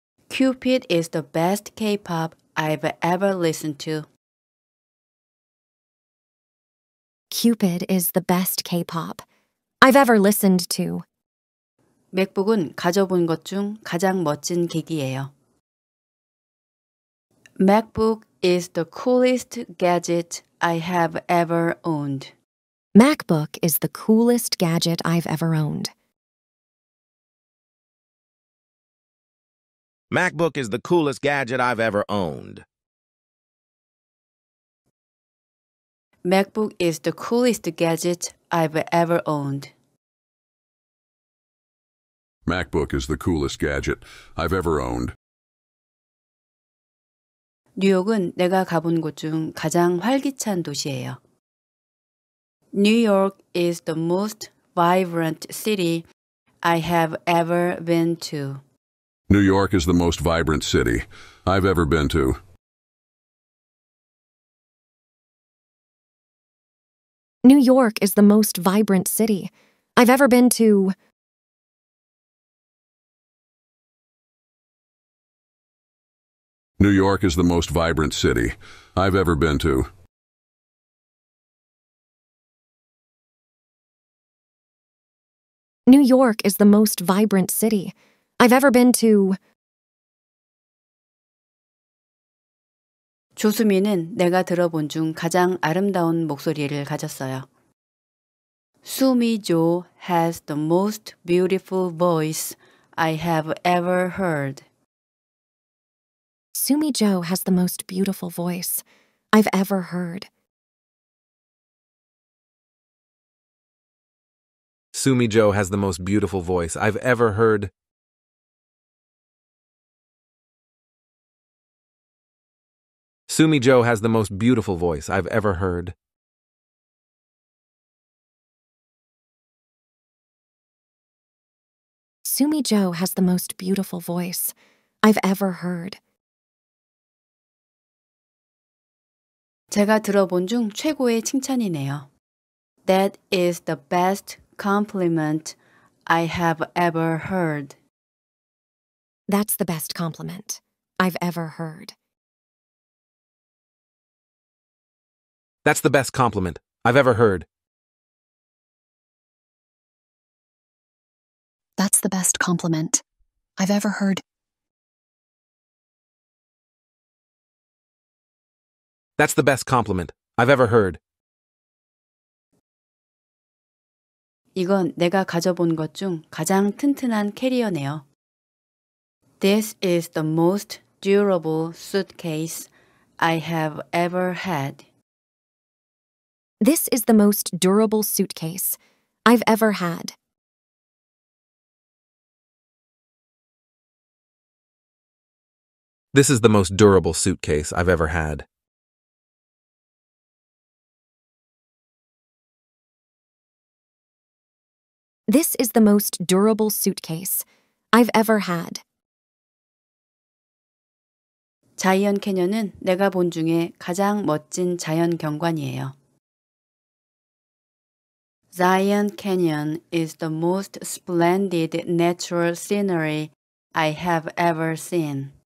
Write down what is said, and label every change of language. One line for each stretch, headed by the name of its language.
English: Cupid is the best K-pop I've ever listened to. Cupid is the best K-pop I've ever listened to.
Korean: 맥북은 가져본 것 중 가장 멋진 기기예요.
English: MacBook is the coolest gadget I have ever owned. MacBook is the coolest gadget I've ever owned. MacBook is the coolest gadget I've ever owned. MacBook is the coolest gadget I've ever owned. MacBook is the coolest gadget I've ever owned.
Korean: 뉴욕은 내가 가본 곳 중 가장 활기찬 도시예요.
English: New York is the most vibrant city I have ever been to. New York is the most vibrant city I've ever been to. New York is the most vibrant city I've ever been to. New York is the most vibrant city I've ever been to. New York is the most vibrant city I've ever been to.
Korean: 조수미는 내가 들어본 중 가장 아름다운 목소리를 가졌어요.
English: Sumi Jo has the most beautiful voice I have ever heard. Sumi Jo has the most beautiful voice I've ever heard. Sumi Jo has the most beautiful voice I've ever heard. Sumi Jo has the most beautiful voice I've ever heard. Sumi Jo has the most beautiful voice I've ever heard.
Korean: 제가 들어본 중 최고의 칭찬이네요.
English: That is the best compliment I have ever heard. That's the best compliment I've ever heard. That's the best compliment I've ever heard. That's the best compliment I've ever heard. That's the best compliment I've ever heard.
Korean: 이건 내가 가져본 것 중 가장 튼튼한 캐리어네요.
English: This is the most durable suitcase I have ever had. This is the most durable suitcase I've ever had. This is the most durable suitcase I've ever had. This is the most durable suitcase I've ever had.
Korean: 자이언 캐년은 내가 본 중에 가장 멋진 자연 경관이에요.
English: Zion Canyon is the most splendid natural scenery I have ever seen.